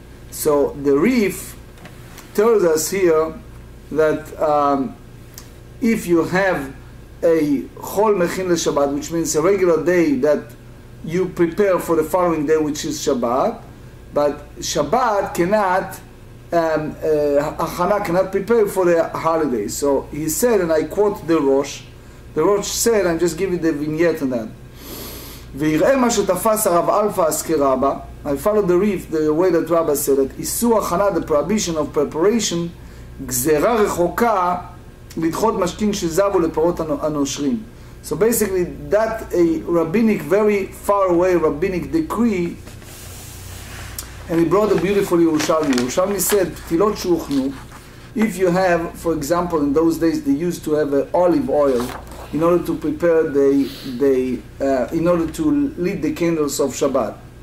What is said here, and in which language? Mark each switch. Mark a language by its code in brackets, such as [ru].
[en] So the Rif tells us here that if you have a Chol Mechin LeShabbat, which means a regular day that you prepare for the following day, which is Shabbat, but Shabbat cannot, Hachana cannot prepare for the holiday. So he said, and I quote the Rosh, said, I'm just giving the vignette on that. [he] ויראה מה שתפס הרב אלפא אסקר רבה, [en] I follow the reef, the way that Rabbah said it, [he] איסור הכנה, [en] the prohibition of preparation, [he] גזרה רחוקה לדחות משקין של זב ולפרות הנושרים. [en] So basically, that a rabbinic, very far away rabbinic decree, and he brought a beautiful Yerushalmi. Yerushalmi said, [he] פתילות שהוכנו, [en] if you have, for example, in those days they used to have olive oil, in order to prepare in order to lit the candles of Shabbat.